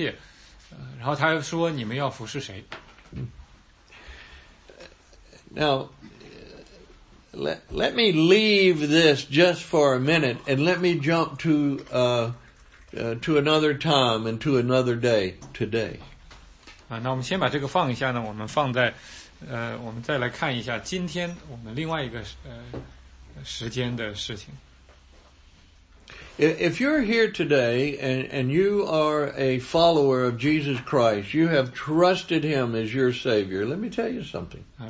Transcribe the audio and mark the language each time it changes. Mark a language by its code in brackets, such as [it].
[zh] 他呼召了这些人，他帮助了这些人，他把敌人这些人的敌人赶走，他给他们预备好了一切，然后他又说你们要服侍谁。 [en] Now, let me leave this just for a minute and let me jump to another time and to another day today. [zh] 那我们先把这个放一下呢，我们放在，我们再来看一下今天我们另外一个时间的事情。 [en] If you're here today and you are a follower of Jesus Christ, you have trusted him as your Savior, let me tell you something.